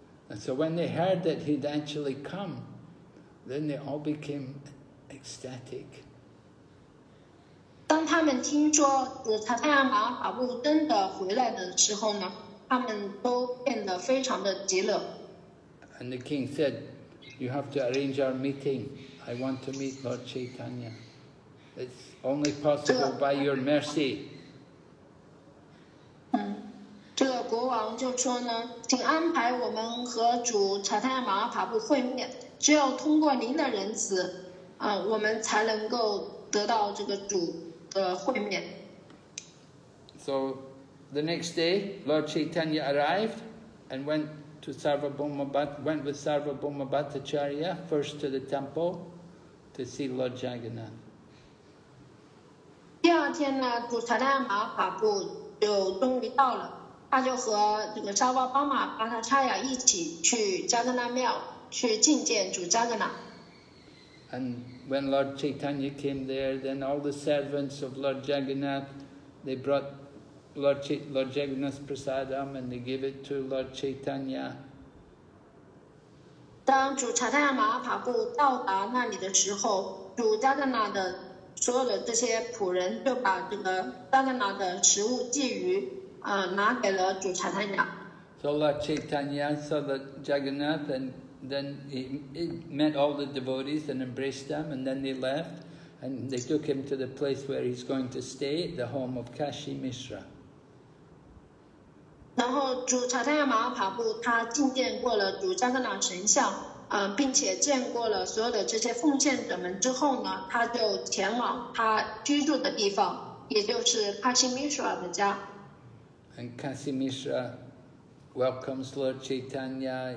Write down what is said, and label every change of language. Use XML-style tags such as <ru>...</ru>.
<en>And so when they heard that he'd actually come, then they all became ecstatic.</en> <zh>当他们听说塔塔亚马哈布真的回来的时候呢，他们都变得非常的急了。</zh> <en>And the king said, "You have to arrange our meeting. I want to meet Lord Chaitanya. It's only possible by your mercy."</en> <zh>这个国王就说呢，请安排我们和主塔塔亚马哈布会面，只有通过您的仁慈，我们才能够得到这个主的会面。</zh> <en>So, the next day, Lord Chaitanya arrived and went. To Sarvabhaumabhat, went with Sarvabhaumabhattacharya first to the temple to see Lord Jagannath.</en> <zh>第二天呢，主查达玛法布就终于到了，他就和这个沙瓦巴玛巴塔查亚一起去加格纳庙去觐见主加格纳。</zh> <en>And when Lord Chaitanya came there, then all the servants of Lord Jagannath, they brought. Lord Jagannath's prasadam, and they gave it to Lord Chaitanya.</en> <zh>当主查塔亚马哈帕布到达那里的时候，主加格纳的所有的这些仆人就把这个加格纳的食物觊觎，拿给了主查塔亚。</zh> <en>So Lord Chaitanya saw the Jagannath, and then he met all the devotees and embraced them, and then they left, and they took him to the place where he's going to stay, the home of Kashi Mishra.</en> <zh>然后主查塔亚马哈帕布他觐见过了主加格纳神像，并且见过了所有的这些奉献者们之后呢，他就前往他居住的地方，也就是卡西米舍的家。</zh> <en>And Kasimishra welcomes Lord Chaitanya.</en>